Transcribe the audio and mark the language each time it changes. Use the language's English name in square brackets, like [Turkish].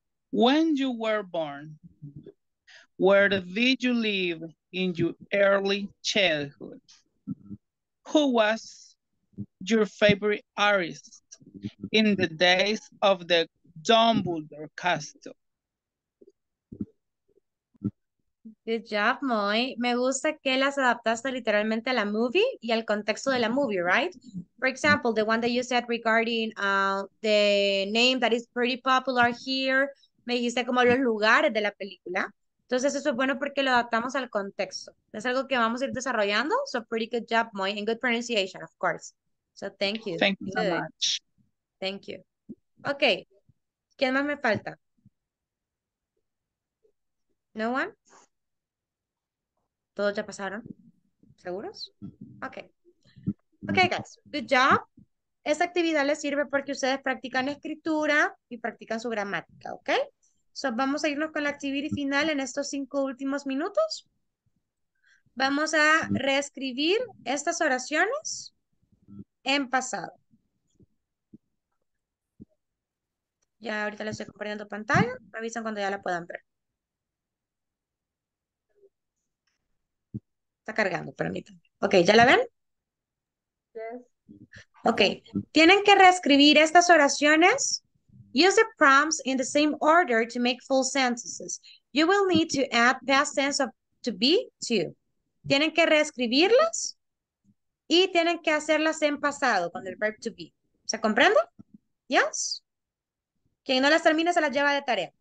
[English] When you were born, where did you live in your early childhood? Who was your favorite artist in the days of the Dumbledore Castle? Good job, Moy. [Spanish] Me gusta que las adaptaste literalmente a la movie y al contexto de la movie, right? [English] For example, the one that you said regarding the name that is pretty popular here, [Spanish] me dijiste como los lugares de la película. Entonces, eso es bueno porque lo adaptamos al contexto. Es algo que vamos a ir desarrollando. [English] So, pretty good job, Moy, and good pronunciation, of course. So, thank you. Thank you so much. Thank you. Okay. [Spanish] ¿Quién más me falta? [English] No one? [Spanish] ¿Todos ya pasaron? ¿Seguros? [English] Ok. Ok, guys. Good job. [Spanish] Esta actividad les sirve porque ustedes practican escritura y practican su gramática, ¿ok? So, vamos a irnos con la actividad final en estos 5 últimos minutos. Vamos a reescribir estas oraciones en pasado. Ya ahorita les estoy compartiendo pantalla. Me avisan cuando ya la puedan ver. Está cargando, permítanme. Ok, ¿ya la ven? [English] Yes. [Spanish] Ok, tienen que reescribir estas oraciones. [English] Use the prompts in the same order to make full sentences. You will need to add past tense of to be to. [Spanish] Tienen que reescribirlas y tienen que hacerlas en pasado con el verb to be. ¿Se comprende? [English] Yes? [Spanish] Quien no las termine se las lleva de tarea.